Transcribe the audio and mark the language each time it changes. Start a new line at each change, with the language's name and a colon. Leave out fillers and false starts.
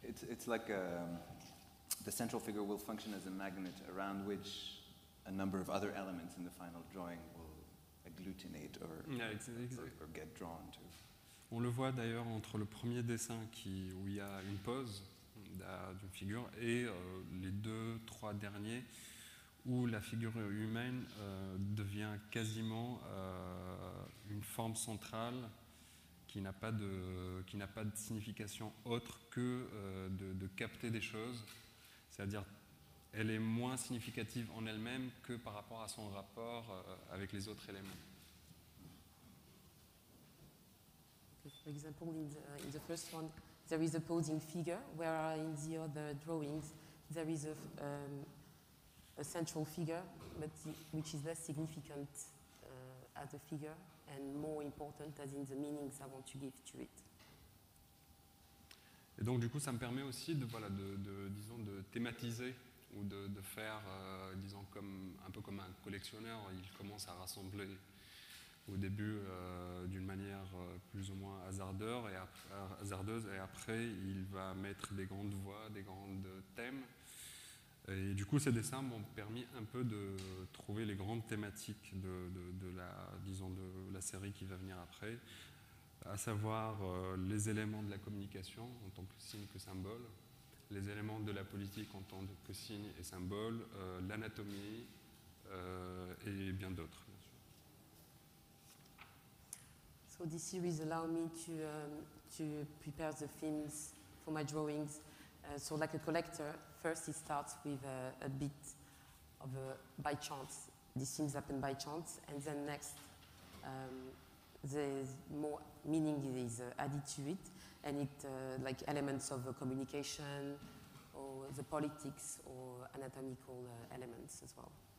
English: It's like the central figure will function as a magnet around which a number of other elements in the final drawing will agglutinate or get drawn to.
French: On le voit d'ailleurs entre le premier dessin où il y a une pose d'une figure et les deux, trois derniers où la figure humaine devient quasiment une forme centrale qui n'a pas de signification autre que de capter des choses. C'est-à-dire elle est moins significative en elle-même que par rapport à son rapport avec les autres éléments.
English: For example, in the first one, there is a posing figure, where in the other drawings, there is a central figure, but which is less significant as a figure and more important as in the meanings I want to give to it.
French: Et donc, du coup, ça me permet aussi de thématiser ou de faire, disons, comme un peu comme un collectionneur, il commence à rassembler. Au début, d'une manière plus ou moins hasardeuse, et après, il va mettre des grandes voix, des grands thèmes. Et du coup, ces dessins m'ont permis un peu de trouver les grandes thématiques de la série qui va venir après, à savoir les éléments de la communication en tant que signe que symbole, les éléments de la politique en tant que signe et symbole, l'anatomie et bien d'autres.
English: So this series allow me to prepare the themes for my drawings. So like a collector, first it starts with a bit of a by chance. These things happen by chance, and then next there's more meaning is added to it, and it like elements of communication or the politics or anatomical elements as well.